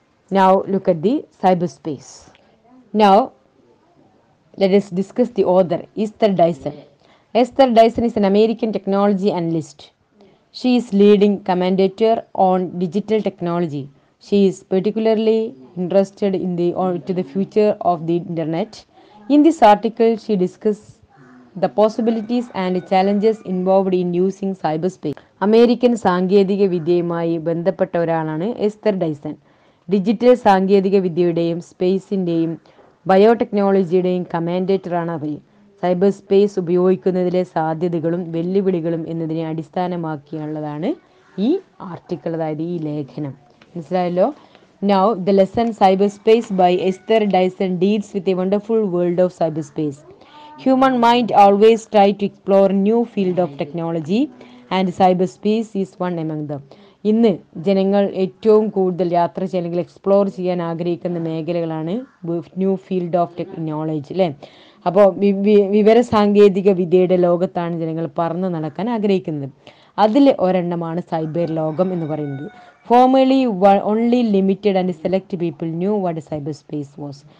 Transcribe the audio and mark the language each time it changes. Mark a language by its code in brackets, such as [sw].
[en] Now look at the cyber space. Now let us discuss the author Esther Dyson. Esther Dyson is an American technology analyst. She is leading commentator on digital technology. She is particularly interested in the to the future of the internet. In this article she discuss the possibilities and challenges involved in using cyberspace. [ml] American സാങ്കേതിക വിദ്യയുമായി ബന്ധപ്പെട്ട ഒരാളാണ് Esther Dyson. Digital സാങ്കേതിക വിദ്യയുടെയും സ്പേസിൻ്റെയും ബയോടെക്നോളജിയുടെയും കമാൻഡേറ്ററാണ് അവർ. Cyber space ഉപയോഗിക്കുന്നതിലെ സാധ്യതകളും വെല്ലുവിളികളും എന്നതിനെ അടിസ്ഥാനമാക്കിയുള്ളതാണ് ഈ article, അതായത് ഈ ലേഖനം. മനസ്സിലായല്ലോ. [en] Now the lesson cyber space by Esther Dyson deals with a wonderful world of cyber space. Human mind always try to explore new field of technology and cyberspace is one among them. [ml] ഇന്ന് ജനങ്ങൾ ഏറ്റവും കൂടുതൽ യാത്ര ചെയ്യണമെങ്കിൽ explore ചെയ്യാൻ ആഗ്രഹിക്കുന്ന മേഖലകളാണ് [en] new field of technology [ml] അല്ലേ. അപ്പോൾ വിവരസാങ്കേതിക വിദ്യയുടെ ലോകത്താണ് ജനങ്ങൾ പറന്ന് നടക്കാൻ ആഗ്രഹിക്കുന്നത്. അതിൽ ഒരെണ്ണമാണ് സൈബർ ലോകം എന്ന് പറയുന്നത്. [en] Formerly only limited and select people knew what cyber space was.